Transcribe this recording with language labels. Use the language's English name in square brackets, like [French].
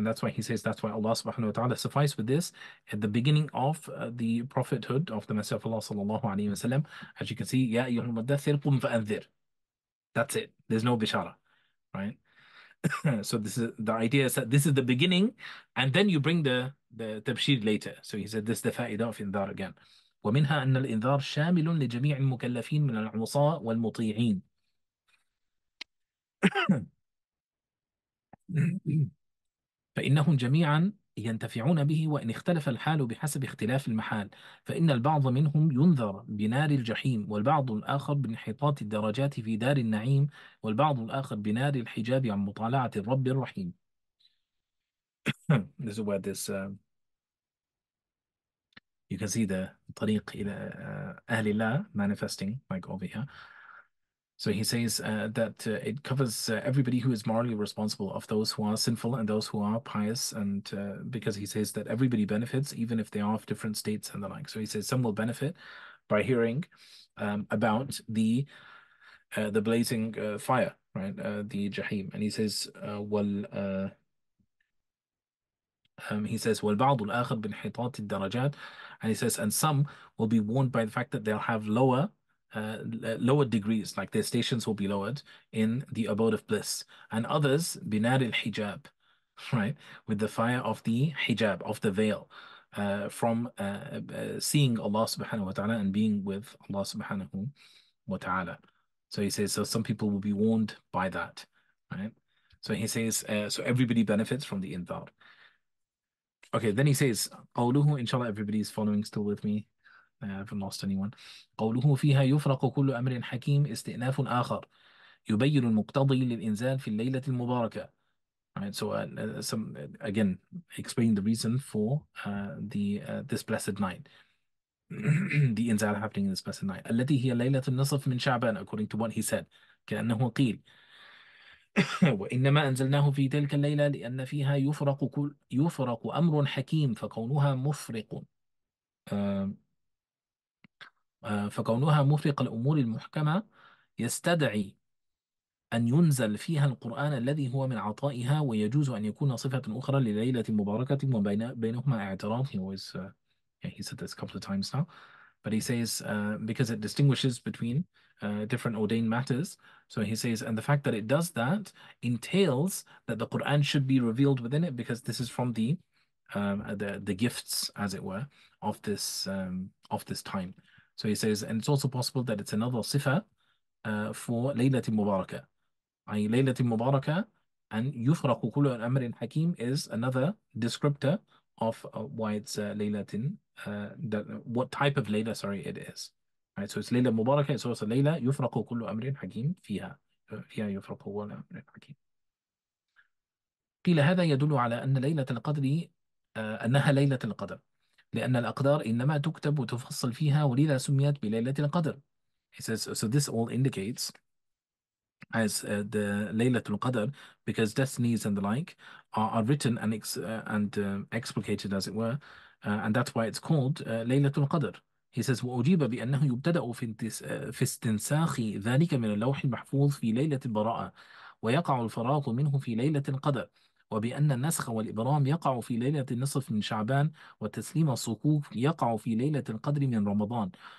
[English] And that's why he says, that's why Allah subhanahu wa ta'ala suffice with this at the beginning of the prophethood of the Messiah of Allah sallallahu alayhi wa sallam. As you can see, [Arabic] ya ayyuhal mudaththir qum fa'anzir. [English] That's it. There's no bishara, right? So this is the beginning, and then you bring the tabshir later. So he said this is the fa'ida of indhar again. [Arabic] ومنها أن الإنذار شامل لجميع المكلفين من العصاة والمطيعين. فإنهم جميعا ينتفعون به وإن اختلف الحال بحسب اختلاف المحال. فإن البعض منهم ينذر بنار الجحيم والبعض الآخر بانحطاط الدرجات في دار النعيم والبعض الآخر بنار الحجاب عن مطالعة الرب الرحيم. [English] This is where this you can see the [Arabic] طريق إلى أهل الله [English] manifesting like over here. So he says that it covers everybody who is morally responsible, of those who are sinful and those who are pious, and because he says that everybody benefits, even if they are of different states and the like. So he says some will benefit by hearing about the blazing fire, right? The Jahim. And he says, [Arabic] وَالْبَعْضُ الْآخَرُ بِنْحِطَاطِ الدَّرَجَاتِ. [English] And he says, and some will be warned by the fact that they'll have lower degrees, like their stations will be lowered in the abode of bliss, and others binar al hijab, right, with the fire of the hijab, of the veil, from seeing Allah subhanahu wa ta'ala and being with Allah subhanahu wa ta'ala. So he says, so some people will be warned by that, right? So he says, so everybody benefits from the indar. Okay, then he says, قوله, inshallah, everybody is following still with me. I haven't lost anyone. [Arabic] قوله فيها يفرق كل أمر حكيم استئناف آخر يبين المقتضي للإنزال في الليلة المباركة. [English] Right, so some again explain the reason for this blessed night, the inzal happening in this blessed night. [Arabic] التي هي ليلة النصف من شعبان, [English] according to what he said. [Arabic] كأنه قيل وإنما أنزلناه في تلك الليلة لأن فيها يفرق كل يفرق أمر حكيم فكونها مفرق فكونها مفرق الأمور المحكمة يستدعي أن ينزل فيها القرآن الذي هو من عطائها ويجوز أن يكون صفة أخرى لليلة مباركة وبين بينهما اعتراف. [English] He always he said this a couple of times now, but he says because it distinguishes between different ordained matters. So he says, and the fact that it does that entails that the Quran should be revealed within it, because this is from the gifts, as it were, of this time. So he says, and it's also possible that it's another sifa for Laylat al-Mubarakah. I mean, Laylat al-Mubarakah and [Arabic] Yufraq kullu al-Amr al-Hakim [English] is another descriptor of why it's Laylat what type of Layla, sorry, it is. Right, so it's Layla Mubarakah, it's also Layla, [Arabic] Yufraq kullu Amr al-Hakim fiha. Fiha Yufraq kullu Amr al-Hakim. قيل هذا يدل على أن ليلة القدر أنها ليلة القدر لأن الأقدار إنما تكتب وتفصل فيها ولذا سميت بليلة القدر. [English] He says, so this all indicates as the Laylatul Qadr, because destinies and the like are written and explicated, as it were, and that's why it's called Laylatul Qadr. He says, [Arabic] وأجيب بأنه يبتدأ في استنساخ ذلك من اللوح المحفوظ في ليلة البراءة ويقع الفراغ منه في ليلة القدر وبأن النسخ والإبرام يقع في ليلة النصف من شعبان وتسليم الصكوك يقع في ليلة القدر من رمضان.